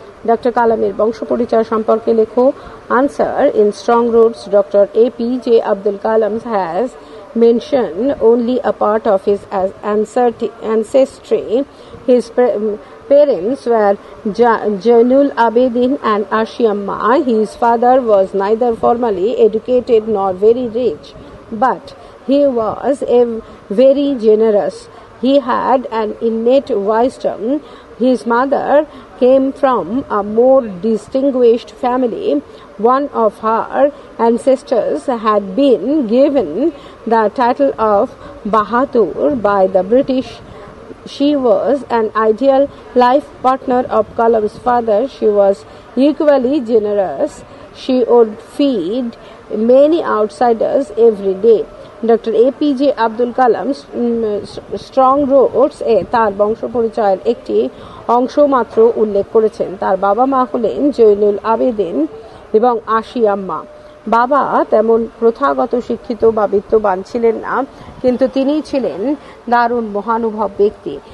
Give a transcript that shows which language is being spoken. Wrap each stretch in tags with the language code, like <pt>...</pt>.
<bn>Doctor কালামের বংশপরিচয় সম্পর্কে লেখো।</bn> <en>Answer, in strong roots doctor APJ Abdul Kalam has mention only a part of his ancestry. His parents were Jainul Abedin and Ashiamma. His father was neither formally educated nor very rich, but he was a very generous. He had an innate wisdom. His mother came from a more distinguished family. One of her ancestors had been given the title of Bahadur by the British. She was an ideal life partner of Kalam's father. She was equally generous. She would feed many outsiders every day.</en> <bn>Doctor APJ Abdul Kalam strong Rhodes এ তার বংশপরিচয়ের একটি অংশ মাত্র উল্লেখ করেছেন। তার বাবা মা হলেন জয়নুল আবেদিন এবং আশিয়াম্মা। বাবা তেমন প্রথাগত শিক্ষিত বা বিত্তবান ছিলেন না, কিন্তু তিনি ছিলেন দারুণ মহানুভব ব্যক্তি।</bn>